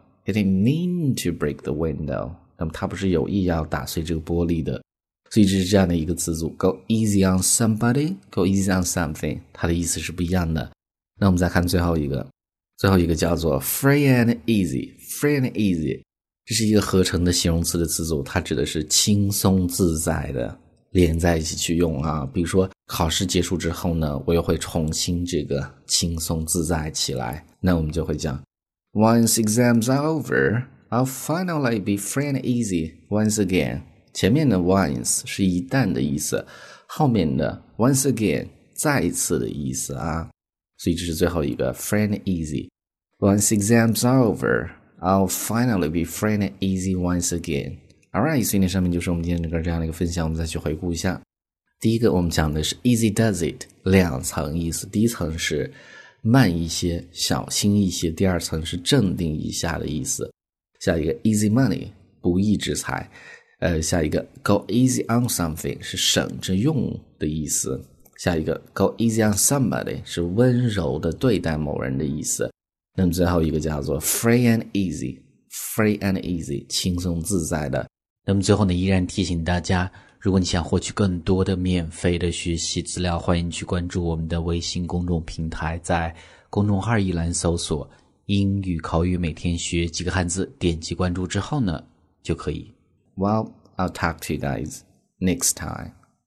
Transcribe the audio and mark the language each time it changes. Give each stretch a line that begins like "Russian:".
English: He didn't mean to break the window.
Chinese: 那么他不是有意要打碎这个玻璃的。所以这是这样的一个词组
English: Go easy on somebody, go easy on something.
Chinese: 它的意思是不一样的。那我们再看最后一个。最后一个叫做 free and easy. 这是一个合成的形容词的词组，它指的是轻松自在的。连在一起去用啊，比如说考试结束之后呢，我又会重新这个轻松自在起来，那我们就会讲
English: Once exams are over, I'll finally be free and easy once again.
Chinese: 前面的 once 是一旦的意思，后面的 once again 再一次的意思啊，所以这是最后一个 free and easy.
English: Once exams are over, I'll finally be free and easy once again.
Chinese: Alright, 所以上面就是我们今天整个这样的一个分享，我们再去回顾一下。第一个我们讲的是 easy does it, 两层意思，第一层是慢一些，小心一些，第二层是镇定一下的意思。下一个 easy money, 不义之财，下一个 go easy on something, 是省着用的意思。下一个 go easy on somebody, 是温柔的对待某人的意思。那么最后一个叫做 free and easy, 轻松自在的。那么最后呢，依然提醒大家，如果你想获取更多的免费的学习资料，欢迎去关注我们的微信公众平台，在公众号一栏搜索英语口语每天学几个汉字，点击关注之后呢，就可以。
English: Well, I'll talk to you guys next time.